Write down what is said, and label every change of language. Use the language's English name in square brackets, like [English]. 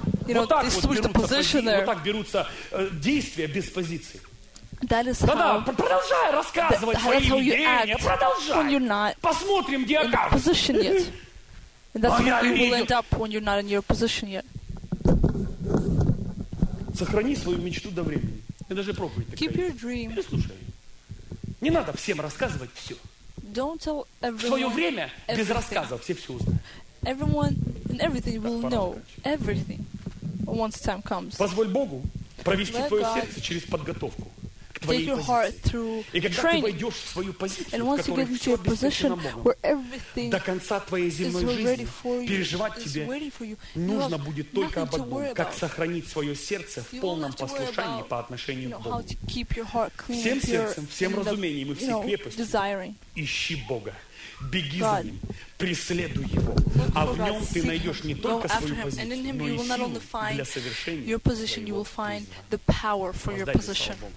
[English] You know, they switched the position there. That is how. [Russian] Продолжай рассказывать свои идеи. Продолжай. [English] When you're not [Russian] Посмотрим, где [English] in position yet. And that's where you will end up when you're not in your position yet. [Russian] Сохрани свою мечту до времени. Я даже проповедь такая. [English] Keep your dream. [Russian] Переслушай. Не надо всем рассказывать все. [English] Don't tell everyone. [Russian] В свое время без рассказов все все узнают. [English] Everyone and everything will know everything once time comes. [Russian] Позволь Богу провести твое сердце через подготовку. [English] Take your heart through training. And once you get into a position where everything is ready for you, is waiting for you, you have nothing to worry about. You only have to worry about how to keep your heart clean, if you're in the, you know, desiring. [Russian] Ищи Бога. Беги за ним, преследуй его, а в нем ты найдешь не только свою позицию, но и силу для совершения. [English] You will find the power for your position.